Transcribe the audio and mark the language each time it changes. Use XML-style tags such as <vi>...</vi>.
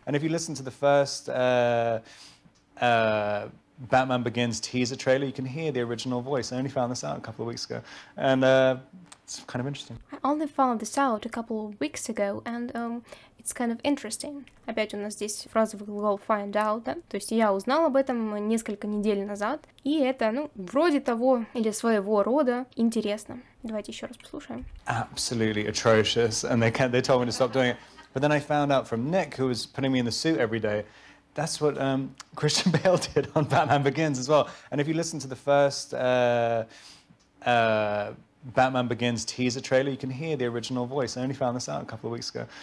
<en>And if you listen to the first Batman Begins teaser trailer, you can hear the original voice. I only found this out a couple of weeks ago, and it's kind of interesting. I only found this out a couple of weeks ago, and it's kind of interesting.</en> <ru>Опять у нас здесь фраза глагол find out, да? То есть я узнал об этом несколько недель назад, и это, ну, вроде того или своего рода интересно. Давайте еще раз послушаем.</ru> <en>Absolutely atrocious, and they told me to stop doing it. But then I found out from Nick, who was putting me in the suit every day, that's what Christian Bale did on Batman Begins as well. And if you listen to the first Batman Begins teaser trailer, you can hear the original voice. I only found this out a couple of weeks ago.</en>